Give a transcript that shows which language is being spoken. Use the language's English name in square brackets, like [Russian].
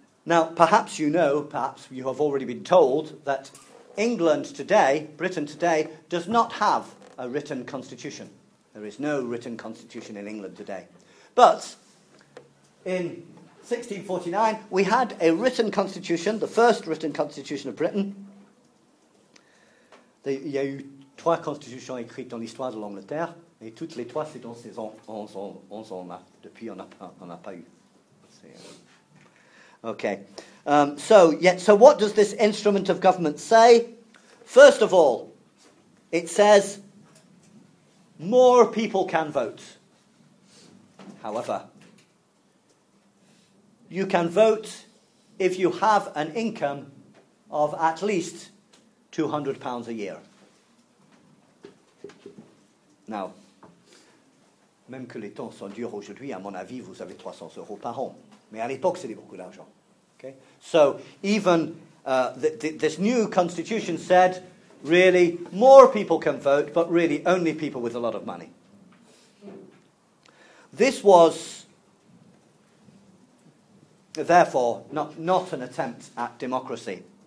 [English] Now, perhaps you know, perhaps you have already been told, that England today, Britain today, does not have a written constitution. There is no written constitution in England today. But in 1649, we had a written constitution, the first written constitution of Britain. [French] Il y a eu trois constitutions écrites dans l'histoire de l'Angleterre, et toutes les trois, c'est dans ces 11 ans-là. Depuis, on n'a pas eu. [English] Okay. So what does this instrument of government say? First of all, it says more people can vote. However, you can vote if you have an income of at least £200 a year. [French] Now, même que les temps sont durs aujourd'hui, à mon avis, vous avez 300 euros par an. Mais à l'époque, c'était beaucoup d'argent. Okay. [English] So even this new constitution said, really, more people can vote, but really only people with a lot of money. This was, therefore, not an attempt at democracy.